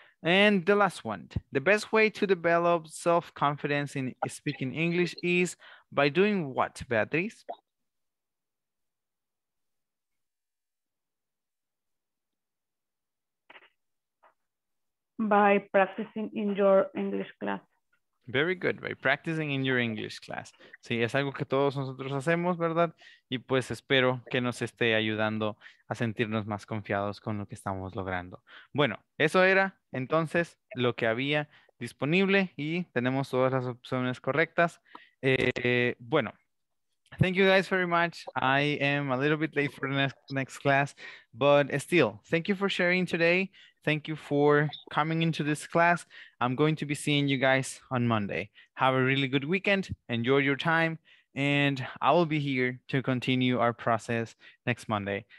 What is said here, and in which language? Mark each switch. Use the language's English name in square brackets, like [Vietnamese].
[English] And the last one, the best way to develop self-confidence in speaking English is by doing what, Beatriz? By practicing in your English class. Very good, by practicing in your English class. [Spanish] Sí, es algo que todos nosotros hacemos, ¿verdad? Y pues espero que nos esté ayudando a sentirnos más confiados con lo que estamos logrando. Bueno, eso era entonces lo que había disponible y tenemos todas las opciones correctas. [English] Bueno, thank you guys very much. I am a little bit late for the next class, but still, thank you for sharing today. Thank you for coming into this class. I'm going to be seeing you guys on Monday. Have a really good weekend. Enjoy your time. And I will be here to continue our process next Monday.